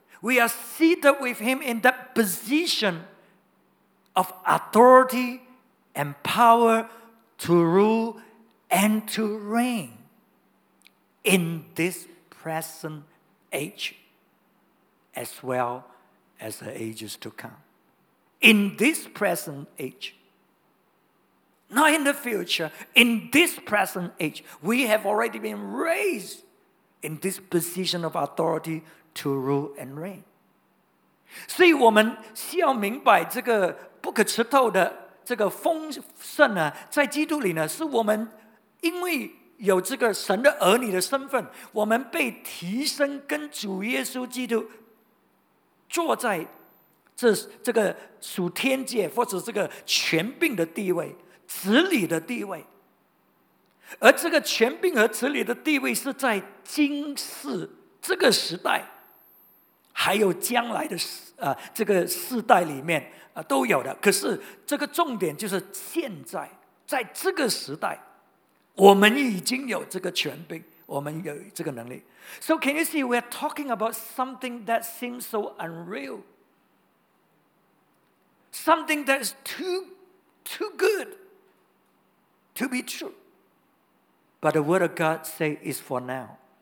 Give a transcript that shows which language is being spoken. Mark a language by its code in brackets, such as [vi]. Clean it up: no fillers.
[en] We are seated with Him in that position of authority and power to rule and to reign in this present age as well as the ages to come. In this present age, not in the future, in this present age, we have already been raised in this position of authority to rule and reign. [zh] 所以我们需要明白这个不可吃透的这个丰盛呢，在基督里呢，是我们因为有这个神的儿女的身份，我们被提升跟主耶稣基督坐在这个属天界或者这个权柄的地位，子女的地位。而这个权柄和子女的地位是在今世这个时代还有将来的这个世代里面都有的。可是这个重点就是现在在这个时代我们已经有这个权柄，我们有这个能力。 [en] So can you see we're talking about something that seems so unreal, something that is too good to be true. But the word of God say is for now.